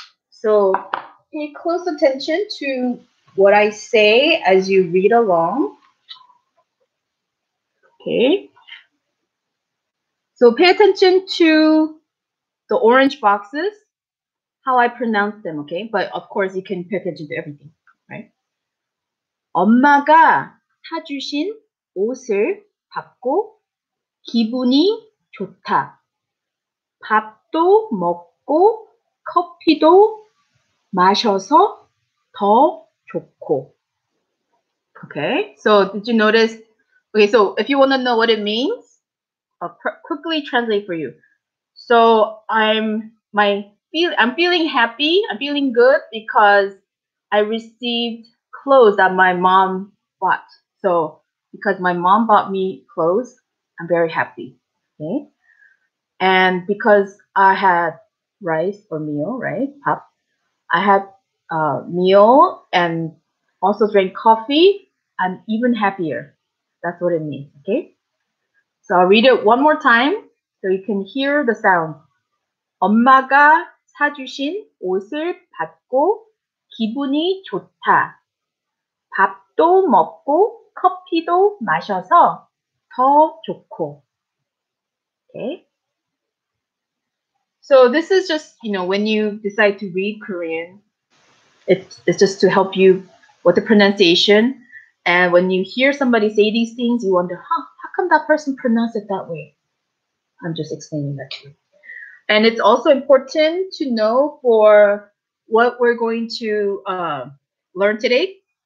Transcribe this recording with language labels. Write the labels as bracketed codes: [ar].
[en] So pay close attention to what I say as you read along. Okay. So pay attention to the orange boxes, how I pronounce them, okay? But of course, you can pay attention to everything, right? [ko] 엄마가 사주신 옷을 받고 기분이 좋다. 밥도 먹고 커피도 마셔서 더 좋고. [en] Okay, so did you notice? Okay, so if you want to know what it means, I'll quickly translate for you. So I'm feeling happy, I'm feeling good because I received clothes that my mom bought. So because my mom bought me clothes, I'm very happy. Okay. And because I had rice for meal, right? Pop. I had meal and also drank coffee, I'm even happier. That's what it means. Okay. So I'll read it one more time so you can hear the sound. [ko] 엄마가 사주신 옷을 받고 기분이 좋다. 밥도 먹고 커피도 마셔서 더 좋고. [en] Okay. So this is just, you know, when you decide to read Korean, it's just to help you with the pronunciation. And when you hear somebody say these things, you wonder, huh, how come that person pronounced it that way? I'm just explaining that to you. And it's also important to know for what we're going to learn today.